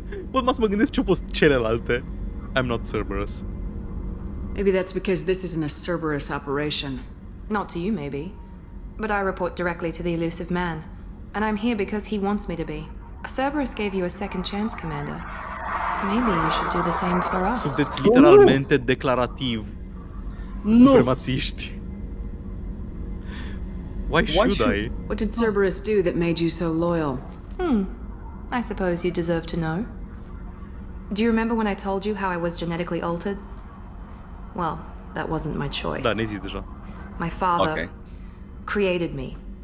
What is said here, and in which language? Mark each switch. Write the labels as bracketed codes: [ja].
[ro] Pot mai să mă gândesc ce-au fost celelalte. [en] I'm not Cerberus. Maybe that's because this isn't a Cerberus operation. Not to you, maybe. But I report directly to the elusive man. And I'm here because he wants me to be. Cerberus gave you a second chance, Commander. Maybe you should do the same for us. [ro] Sunteți literalmente declarativ. No. Supremațiști. [en] Why should I? What did Cerberus do that made you so loyal? I suppose you deserve to know. Do you remember when I told you how I was genetically altered? Well, that wasn't my choice. [ro] Da, ne zici deja. [en] My father created me.